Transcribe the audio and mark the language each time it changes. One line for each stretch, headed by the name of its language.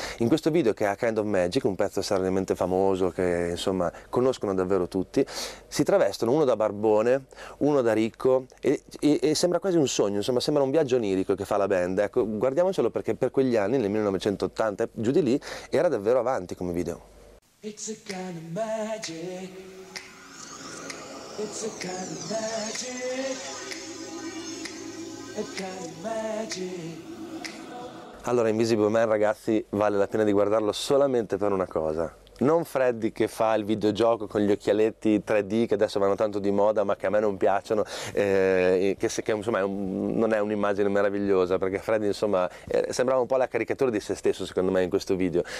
Italian: In questo video, che è A Kind of Magic, un pezzo estremamente famoso che insomma conoscono davvero tutti, si travestono uno da barbone, uno da ricco, e sembra quasi un sogno, insomma sembra un viaggio onirico che fa la band. Ecco, guardiamocelo, perché per quegli anni, nel 1980 giù di lì, era davvero avanti come video.
English: It's a kind of magic, it's a kind of magic, a kind of magic.
Italian: Allora, Invisible Man, ragazzi, vale la pena di guardarlo solamente per una cosa. Non Freddy che fa il videogioco con gli occhialetti 3D che adesso vanno tanto di moda, ma che a me non piacciono, che insomma non è un'immagine meravigliosa, perché Freddy insomma sembrava un po' la caricatura di se stesso, secondo me, in questo video.